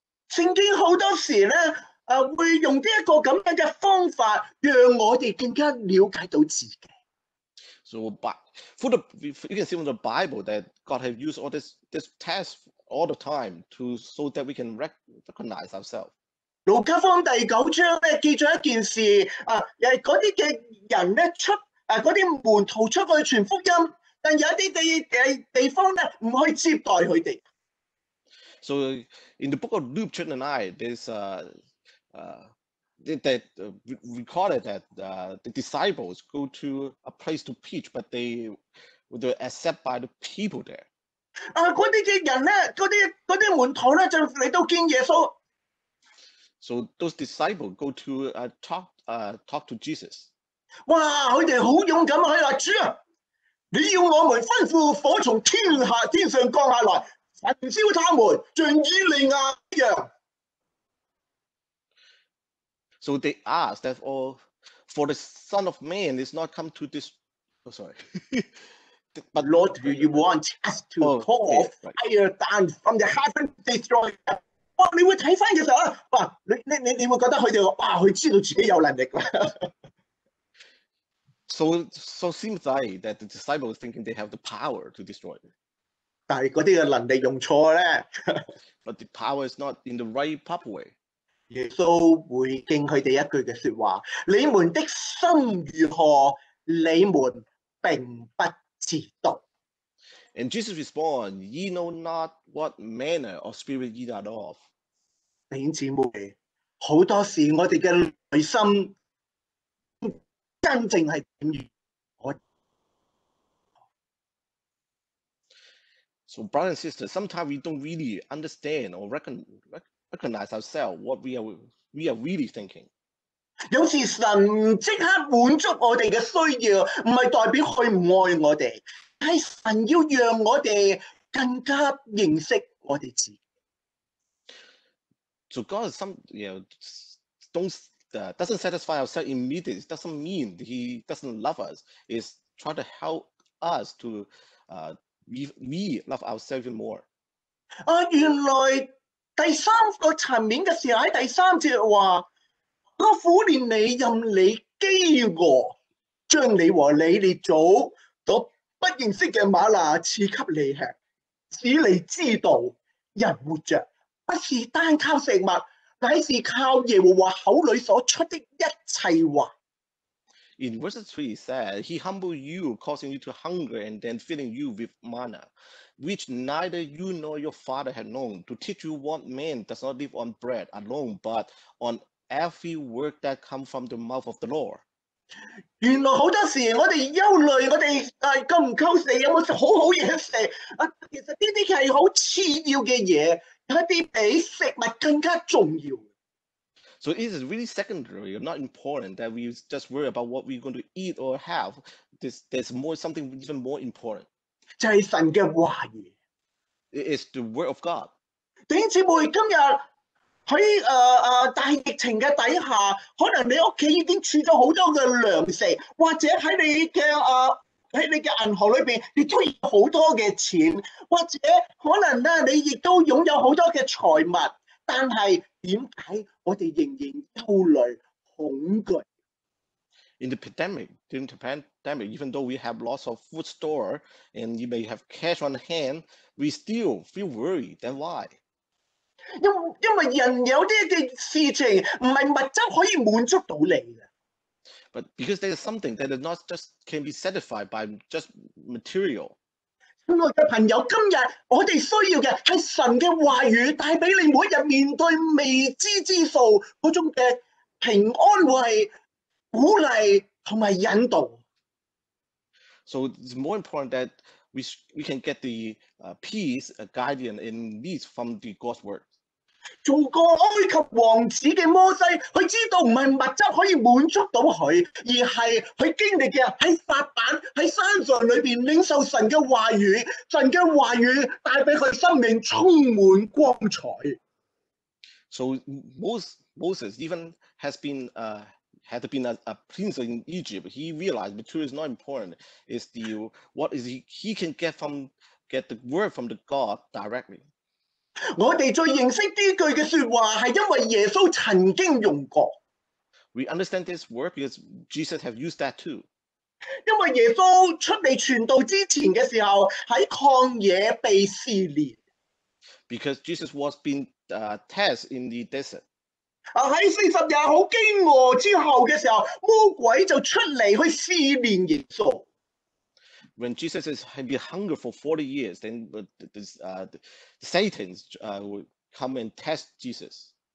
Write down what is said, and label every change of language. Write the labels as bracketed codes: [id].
[yue] 圣经好多时咧，会用呢一个咁样嘅方法，让我哋更加了解到自己。 [en] So, but you can see from the Bible that God has used all this test all the time to so that we can recognize ourselves. [yue] 路加福音第九章咧记载一件事啊，诶，嗰啲嘅人咧出啊，嗰啲门徒出去传福音，但有啲地方咧唔去接待佢哋。 [en] So, in the book of Luke chapter 9, there's that recorded that the disciples go to a place to preach, but they were accepted by the people there. [yue] 啊，嗰啲嘅人咧，嗰啲门徒咧，就嚟到见耶稣。 [en] So those disciples go to talk to Jesus. [yue] 哇，佢哋好勇敢啊！佢话主啊，你要我们吩咐火从天上降下来，焚烧他们，像以利亚一样。 [en] So they asked that, oh, for the Son of Man is not come to this. Oh, sorry. But Lord, do you want us to call fire down from the heaven to destroy them? [yue] 哇，你会睇翻嘅时候，哇，你会觉得佢哋哇，佢知道自己有能力啦。 [en] So seems like that the disciples thinking they have the power to destroy them. [yue] 但系嗰啲嘅能力用错咧。 [en] But the power is not in the right proper way. [yue] 耶稣回敬他们一句的说话，你们的心如何，你们并不知道。 [en] And Jesus responds, ye know not what manner of spirit ye are of. [yue] 弟兄姊妹，很多时我们的内心真正是怎样？ [en] So brothers and sisters, sometimes we don't really understand or recognize ourselves, what we are really thinking. [yue] 有时神即刻满足我哋嘅需要，唔系代表佢唔爱我哋，系神要让我哋更加认识我哋自己。 [en] So God, doesn't satisfy ourselves immediately. Doesn't mean He doesn't love us. It's trying to help us to we love ourselves even more. [yue] 啊，原来。第三个层面嘅事喺第三节话，我苦练你，任你饥饿，将你和你祖所不认识嘅玛拿赐给你吃，使你知道人活着不是单靠食物，乃是靠耶和华口里所出的一切话。 [en] in verse 3 said, he humbled you, causing you to hunger and then filling you with manna, which neither you nor your father had known, to teach you what man does not live on bread alone, but on every word that comes from the mouth of the Lord. [yue] 原来好多时我哋忧虑，我哋够唔够食，有冇食好好嘢食啊？其实呢啲系好次要嘅嘢，一啲比食物更加重要。 [en] So it is really secondary, not important that we just worry about what we're going to eat or have. There's more something even more important. [yue] 就系神嘅话语。 [en] It is the word of God. [yue] 弟兄姊妹，今日。在大疫情的底下，可能你家已经储了很多的粮食，或者在你的在你的银行里面你都有很多的钱，或者可能你也都拥有很多的财物，但是为什么我们仍然忧虑恐惧？ [en] During the pandemic, even though we have lots of food store and you may have cash on hand, we still feel worried. Then why? [yue] 因为人有啲嘅事情唔系物质可以满足到你嘅。 [en] But because there is something that is not just can be satisfied by just material。 [yue] 亲爱嘅朋友，今日我哋需要嘅系神嘅话语带俾你每日面对未知之数嗰种嘅平安慰、鼓励同埋引导。 [en] So it's more important that we can get the peace, a guidance, and leads from the God's word. [yue] 做个埃及王子的摩西，他知道不是物质可以满足到他，而是他经历的在法版在山上里面领受神的话语，神的话语带给他生命充满光彩。 [en] So Moses even has been had been a prince in Egypt. He realized material is not important. It's the what is he can get from get the word from the God directly. [yue] 我哋最认识呢句嘅说话，系因为耶稣曾经用过。 [en] We understand this word because Jesus have used that too. [yue] 因为耶稣出嚟传道之前嘅时候，喺旷野被试炼。 [en] Because Jesus was being tested in the desert. [yue] 喺40日好饥饿之后嘅时候，魔鬼就出嚟去试炼耶稣。 [en] When Jesus has been hungry for 40 years, then the Satan will come and test Jesus.